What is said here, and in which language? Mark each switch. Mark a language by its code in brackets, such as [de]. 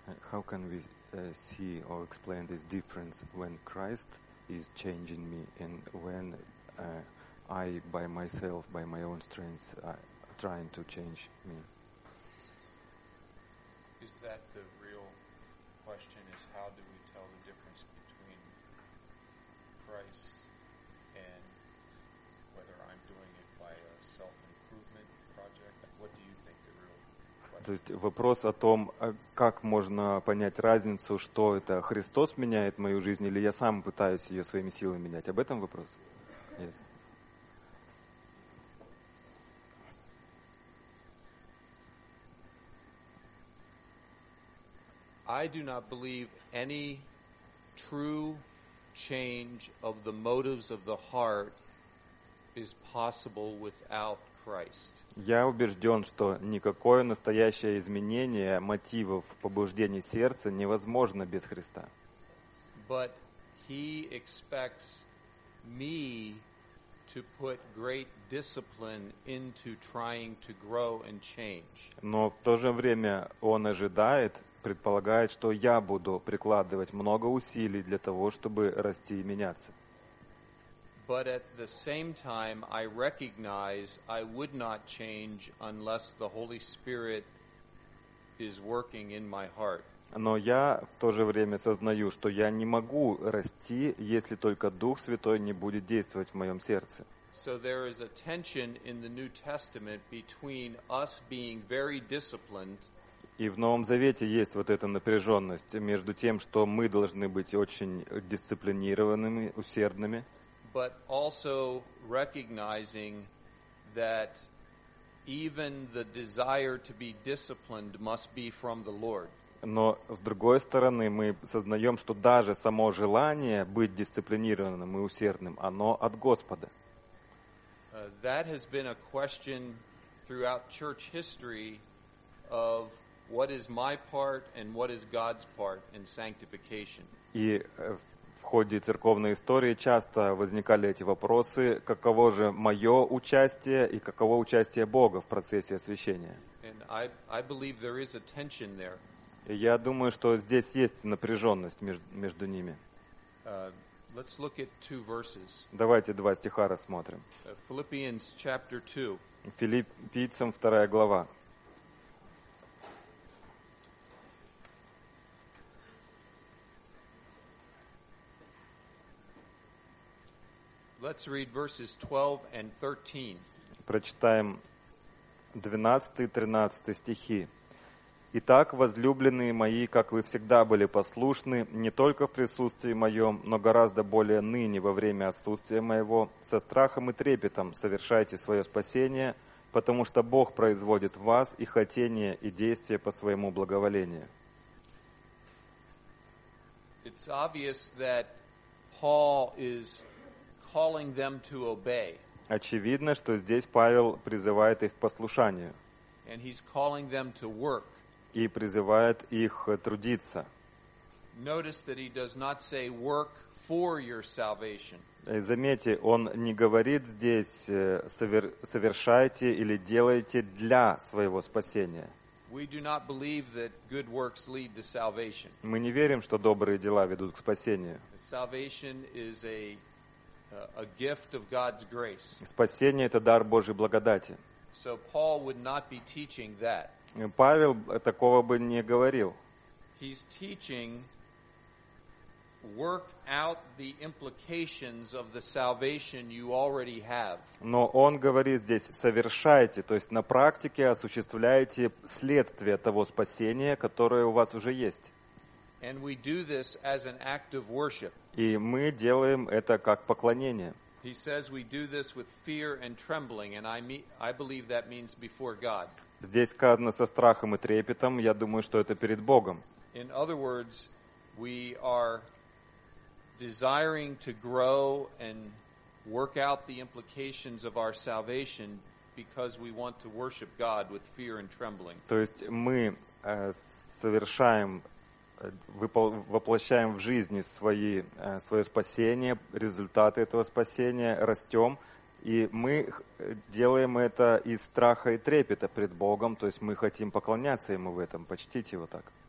[en] How can we see or explain this difference when Christ is changing me and when I, by myself, by my own strengths, are trying to change me? Is that the real question, is how do we tell the difference between Christ and whether I'm doing it by a self-improvement project? What do you think? [ru] То есть вопрос о том, как можно понять разницу, что это Христос меняет мою жизнь, или я сам пытаюсь ее своими силами менять. Об этом вопрос? [en] Yes. I do not believe any true change of the motives of the heart is possible without Christ. [ru] Я убежден, что никакое настоящее изменение мотивов побуждений сердца невозможно без Христа. [en] But he expects me to put great discipline into trying to grow and change. [ru] Но в то же время он ожидает, предполагает, что я буду прикладывать много усилий для того, чтобы расти и меняться. [en] But at the same time, I recognize I would not change unless the Holy Spirit is working in my heart. [ru] Но я в то же время сознаю, что я не могу расти, если только Дух Святой не будет действовать в моем сердце. [en] So there is a tension in the New Testament between us being very disciplined. [ru] И в Новом Завете есть вот эта напряженность между тем, что мы должны быть очень дисциплинированными, усердными. [en] But also recognizing that even the desire to be disciplined must be from the Lord. [ru] Но с другой стороны, мы сознаем, что даже само желание быть дисциплинированным и усердным, оно от Господа. [en] That has been a question throughout church history of what is my part and what is God's part in sanctification. [ru] В ходе церковной истории часто возникали эти вопросы: каково же мое участие и каково участие Бога в процессе освящения? [en] And I believe there is a tension there. [ru] Я думаю, что здесь есть напряженность между ними. [en] Let's look at two verses. [ru] Давайте два стиха рассмотрим. [en] Philippians chapter 2. [ru] Филиппийцам 2 глава. [en] Let's read verses 12 and 13. [ru] Прочитаем 12 и 13 стихи. «Итак, возлюбленные мои, как вы всегда были послушны, не только в присутствии моем, но гораздо более ныне, во время отсутствия моего, со страхом и трепетом совершайте свое спасение, потому что Бог производит в вас и хотение, и действие по своему благоволению». [en] It's obvious that Paul is calling them to obey. [ru] Очевидно, что здесь Павел призывает их к послушанию. [en] And he's calling them to work. [ru] И призывает их трудиться. [en] Notice that he does not say work for your salvation. [ru] И заметьте, он не говорит здесь совершайте или делайте для своего спасения. [en] We do not believe that good works lead to salvation. [ru] Мы не верим, что добрые дела ведут к спасению. [en] Salvation is a gift of God's grace. [ru] Спасение — это дар Божьей благодати. [en] So Paul would not be teaching that. [ru] Павел такого бы не говорил. [en] He's teaching work out the implications of the salvation you already have. [ru] Но он говорит здесь: совершайте, то есть на практике осуществляйте следствие того спасения, которое у вас уже есть. [en] And we do this as an act of worship. [ru] И мы делаем это как поклонение. [en] He says we do this with fear and trembling, and I believe that means before God. [ru] Здесь сказано со страхом и трепетом, я думаю, что это перед Богом. [en] In other words, we are desiring to grow and work out the implications of our salvation because we want to worship God with fear and trembling. [ru] То есть мы совершаем воплощаем в жизни свое спасение, результаты этого спасения, растем, и мы делаем это из страха и трепета пред Богом, то есть мы хотим поклоняться Ему в этом, почтить Его так.